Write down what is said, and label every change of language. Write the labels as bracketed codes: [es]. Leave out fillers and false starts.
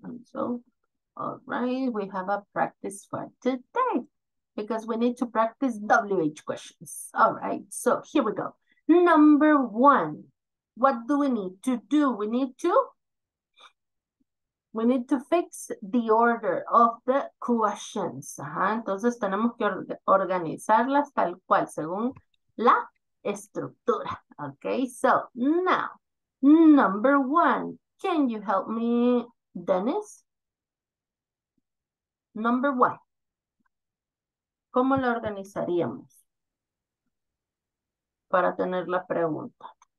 [en] And so, all right, we have a practice for today because we need to practice WH questions. All right, so here we go. Number one, what do we need to do? We need to fix the order of the questions. [es] Entonces tenemos que organizarlas tal cual, según la estructura. [en] Okay, so now, number one, can you help me, Dennis? Number one, [es] ¿cómo la organizaríamos para tener la pregunta?